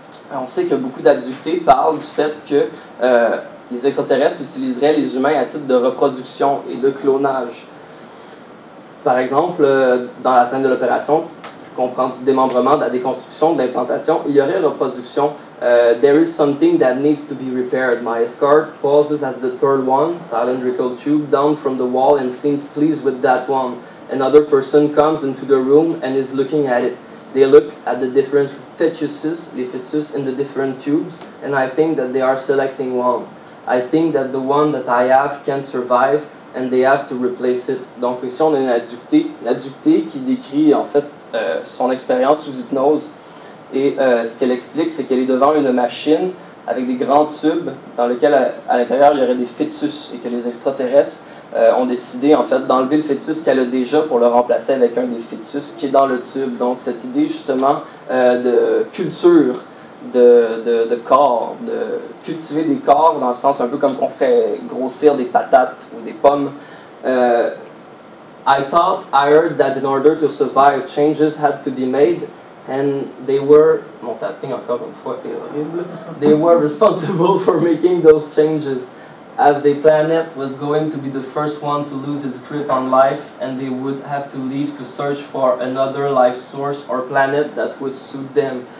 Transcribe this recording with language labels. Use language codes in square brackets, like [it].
[fr] Alors, on sait que beaucoup d'abductés parlent du fait que les extraterrestres utiliseraient les humains à titre de reproduction et de clonage. Par exemple, dans la scène de l'opération, qu'on prend du démembrement, de la déconstruction, de l'implantation, il y aurait reproduction. [en] There is something that needs to be repaired. My escort pauses at the third one, cylindrical tube, down from the wall and seems pleased with that one. Another person comes into the room and is looking at it. They look at the different fetuses, [fr] les fetuses [en] in the different tubes, and I think that they are selecting one. I think that the one that I have can survive, and they have to replace it. [fr] Donc ici on a une abductée qui décrit en fait son expérience sous hypnose. Et ce qu'elle explique, c'est qu'elle est devant une machine avec des grands tubes dans lesquels à l'intérieur il y aurait des fœtus et que les extraterrestres ont décidé en fait d'enlever le fœtus qu'elle a déjà pour le remplacer avec un des fœtus qui est dans le tube. Donc cette idée justement de culture, de corps, de cultiver des corps dans le sens un peu comme qu'on ferait grossir des patates ou des pommes. [en] I thought I heard that in order to survive, changes had to be made, and they were, [fr] mon tapping encore une fois est horrible, [en] they were responsible for making those changes, as the planet was going to be the first one to lose its grip on life, and they would have to leave to search for another life source or planet that would suit them.